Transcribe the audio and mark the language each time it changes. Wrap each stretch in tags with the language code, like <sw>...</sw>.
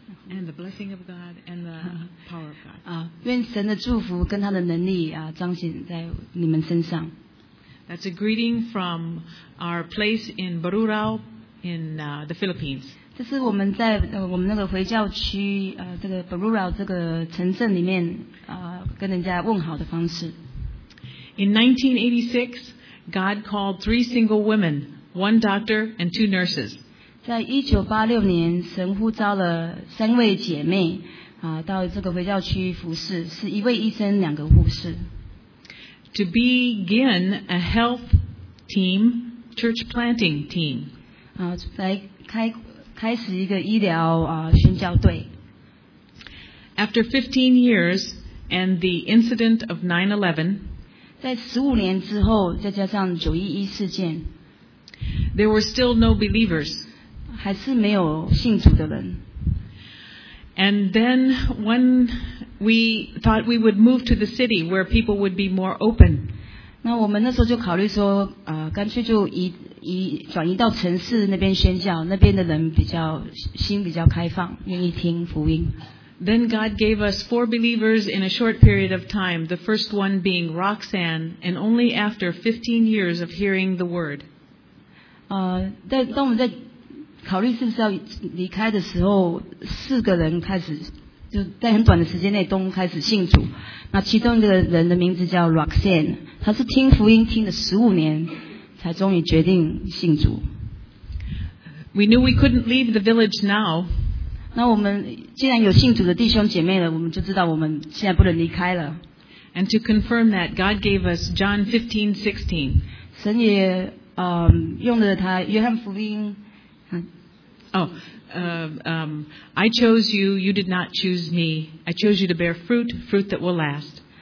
<en>And the blessing of God and the power of God.</en> <zh>愿神的祝福跟他的能力彰显在你们身上。</zh> <en>That's a greeting from our place in Barurao in the Philippines.</en> <zh>这是我们在我们那个回教区这个 Barurao 这个城镇里面跟人家问好的方式。</zh> <en>In 1986, God called three single women, one doctor and two nurses.</en> <zh>在1986年，神呼召了三位姐妹到这个回教区服事，是一位医生，两个护士。</zh> <en>To begin a health team, church planting team.</en> <zh>来开始一个医疗宣教队。</zh> <en>After 15 years and the incident of 9/11,</en> <zh>在15年之后，再加上911事件，</zh> <en>There were still no believers.</en> <zh>还是没有信主的人。</zh> <en>And then when we thought we would move to the city where people would be more open.</en> <zh>那我们那时候就考虑说，干脆就转移到城市那边宣教，那边的人比较心比较开放，愿意听福音。</zh> <en>Then God gave us 4 believers in a short period of time, the first one being Roxanne, and only after 15 years of hearing the word.</en> <zh>当我们在考虑是不是要离开的时候，四个人开始就在很短的时间内都开始信主。那其中一个人的名字叫 Roxanne， 他是听福音听了15年才终于决定信主。</zh> <en>We knew we couldn't leave the village now.</en> <zh>那我们既然有信主的弟兄姐妹了，我们就知道我们现在不能离开了。</zh> <en>And to confirm that, God gave us John 15:16.</en> <zh>神也用了他约翰福音。</zh> <en>I chose you, you did not choose me. I chose you to bear fruit, fruit that will last.</en>